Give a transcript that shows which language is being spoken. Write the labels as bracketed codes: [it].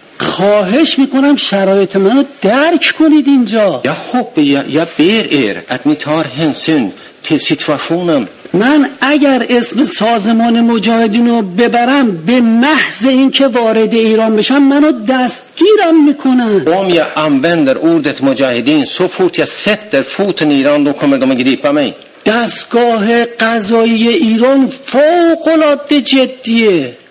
[fa] خواهش میکنم شرایط منو درک کنید اینجا. [sv] Ja, hoppe, jag ber er att ni tar hänsyn till situationen. [fa] من اگر اسم سازمان مجاهدین رو ببرم به محض اینکه وارد ایران بشم منو دستگیرم میکنن. [sv] Om jag använder ordet mujahedin så fort jag sätter foten i Iran då kommer de att gripa mig. [fa] دستگاه قضایی ایران فوق العاده جدیه.